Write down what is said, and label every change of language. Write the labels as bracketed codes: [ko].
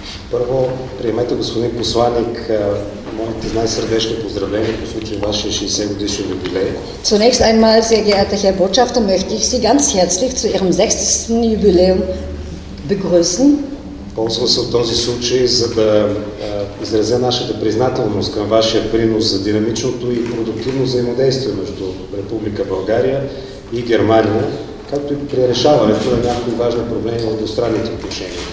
[bg] Първо, приемете, господин посланник, моите най-сърдечни поздравления по случай вашия 60-годишен юбилей. [de] Zunächst einmal, sehr geehrter Herr Botschafter, möchte ich Sie ganz herzlich zu Ihrem 60. Jubiläum begrüßen. [bg] Ползвам се в този случай, за да изразя нашата признателност към вашия принос за динамичното и продуктивно взаимодействие между Република България и Германия, както и при решаването на някои важни проблеми в двустранните отношения.